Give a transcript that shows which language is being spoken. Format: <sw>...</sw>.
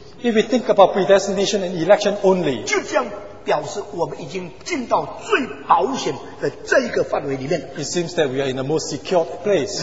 <en>If we think about predestination and election only,</en> <zh>就这样表示我们已经进到最保险的这一个范围里面,</zh> <en>it seems that we are in a most secure place.</en>